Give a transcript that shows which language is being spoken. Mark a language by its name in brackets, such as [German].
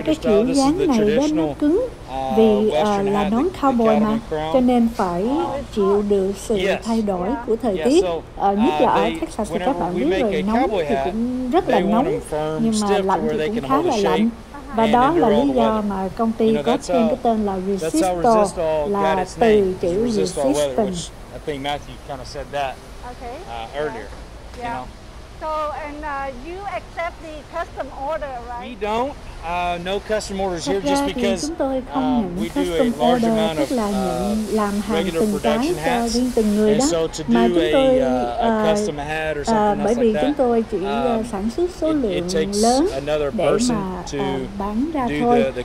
[Vietnamese] cái kiểu dáng này nó cứng vì là nón cowboy mà, cho nên phải chịu được sự thay đổi của thời tiết. Nhất là ở Texas thì các bạn biết rồi, nóng thì cũng rất là nóng, nhưng mà lạnh thì cũng khá là lạnh. Và đó là lý do mà công ty có thêm cái tên là Resisto, là từ chữ resistance. [English] I think Matthew kind of said that earlier. Yeah. You know? So, and you accept the custom order, right? We don't. No custom orders here [Vietnamese] just because chúng tôi không nhận custom order, tức là nhận làm hàng từng cái cho riêng từng người đó. Mà chúng tôi, bởi vì chúng tôi chỉ sản xuất số lượng lớn để mà bán ra thôi.